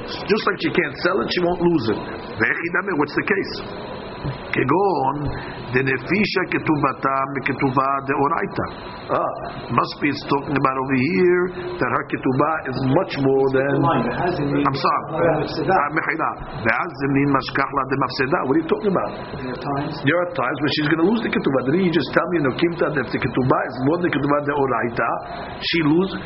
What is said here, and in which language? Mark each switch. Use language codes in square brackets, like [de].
[en] Just like she can't sell it, she won't lose it. [arc] ואיך היא דמר? [en] What's the case? [arc] כגון, דנפישה כתובתה מכתובה דאורייתא. [en] Ah, must be it's talking about over here that her ketubah is much more than. I'm sorry. Mechila. [arc] Ve'az zemin mashkachla demafseda. [en] What are you talking about? There are times when she's going to lose the ketubah. Then you just tell me, no, kimta, that if the ketubah is more than the ketubah deoraita, she loses.